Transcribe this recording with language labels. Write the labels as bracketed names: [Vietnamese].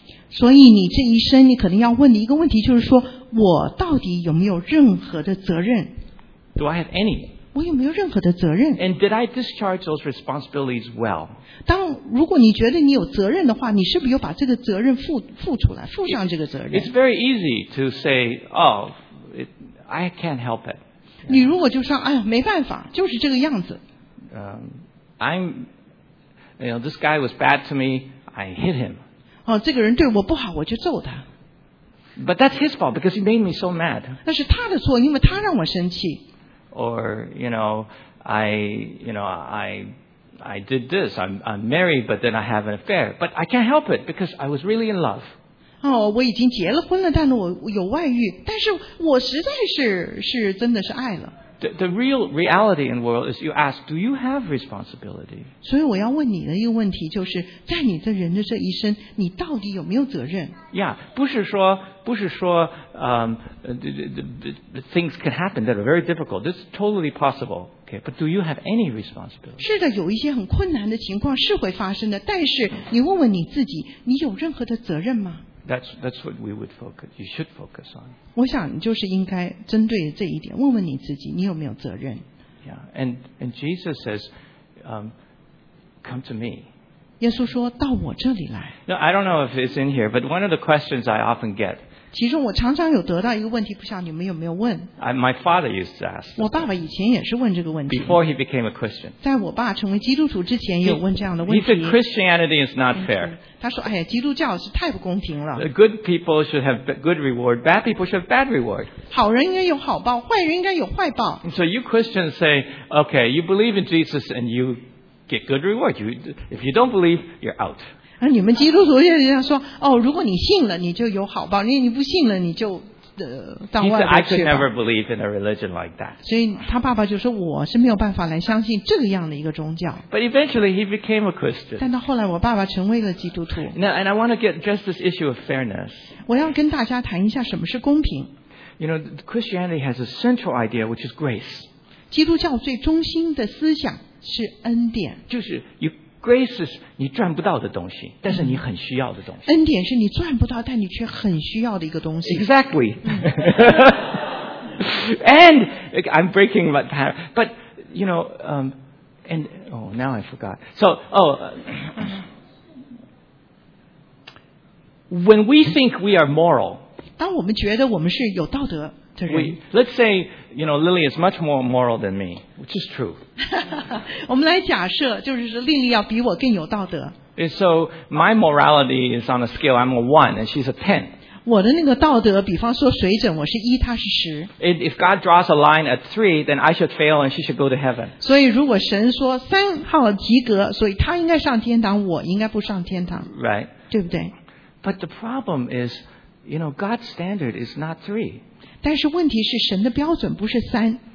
[Chinese] 所以你这一生你可能要问的一个问题就是说，我到底有没有任何的责任？ [English] Do I have any? [Chinese] 我有没有任何的责任？ [English] And did I discharge those responsibilities well? [Chinese] 当如果你觉得你有责任的话，你是不是有把这个责任 付出来，付上这个责任？ [English] It's very easy to say, oh, I can't help it. [Chinese] 你如果就说，哎呀，没办法，就是这个样子。 [English] This guy was bad to me, I hit him. [Chinese] 哦，这个人对我不好，我就揍他。 [English] But that's his fault because he made me so mad. [Chinese] 那是他的错，因为他让我生气。 [English] Or I did this. I'm married, but then I have an affair. But I can't help it because I was really in love. [Chinese] 哦，我已经结了婚了，但是我有外遇，但是我实在是真的是爱了。 [English] The real reality in the world is you ask, do you have responsibility? [Chinese] 所以我要问你的一个问题就是，在你的人的这一生，你到底有没有责任？ [English] Yeah, [Chinese] 不是说 [English] things can happen that are very difficult. This is totally possible. Okay, but do you have any responsibility? [Chinese] 是的，有一些很困难的情况是会发生的，但是你问问你自己，你有任何的责任吗？ [English] That's what we would focus. You should focus on. [Chinese] 我想就是应该针对这一点问问你自己，你有没有责任？ [English] Yeah, and Jesus says, come to me. [Chinese] 耶稣说到我这里来。 [English] No, I don't know if it's in here, but one of the questions I often get. [Chinese] 其实我常常有得到一个问题，不晓得你们有没有问。 [English] My father used to ask. [Chinese] 我爸爸以前也是问这个问题。 [English] Before he became a Christian. [Chinese] 在我爸成为基督徒之前，也有问这样的问题。 [English] He said Christianity is not fair. [Chinese] 他说：“哎呀，基督教是太不公平了。 [English] Good people should have good reward. Bad people should have bad reward. [Chinese] 好人应该有好报，坏人应该有坏报。 [English] So you Christians say, okay, you believe in Jesus and you get good reward. If you don't believe, you're out. [Chinese] 而你们基督徒人家说，哦，如果你信了，你就有好报；你不信了，你就到外面去吧。 [English] I could never believe in a religion like that. [Chinese] 所以他爸爸就说，我是没有办法来相信这样的一个宗教。 [English] But eventually he became a Christian. [Chinese] 但到后来，我爸爸成为了基督徒。 [English] Now, and I want to get just this issue of fairness. [Chinese] 我要跟大家谈一下什么是公平。 [English] You know, Christianity has a central idea, which is grace. [Chinese] 基督教最中心的思想是恩典。就是 [English] Grace is [Chinese] 你赚不到的东西，但是你很需要的东西。恩典是你赚不到，但你却很需要的一个东西。 [English] Exactly. And I'm breaking my pattern. But, you know, and, oh, now I forgot. So, oh, when we think we are moral, [Chinese] 当我们觉得我们是有道德的人， [English] let's say, you know, Lily is much more moral than me, which is true. [Chinese] 我们来假设，就是说丽丽要比我更有道德。 [English] So my morality is on a scale. I'm a one, and she's a ten. [Chinese] 我的那个道德，比方说水准，我是一，她是十。 [English] If God draws a line at three, then I should fail, and she should go to heaven. [Chinese] 所以如果神说三号及格，所以她应该上天堂，我应该不上天堂。 [English] Right. [Chinese] 对不对 [English] ？But the problem is, you know, God's standard is not three. [Chinese] 但是问题是，神的标准不是三。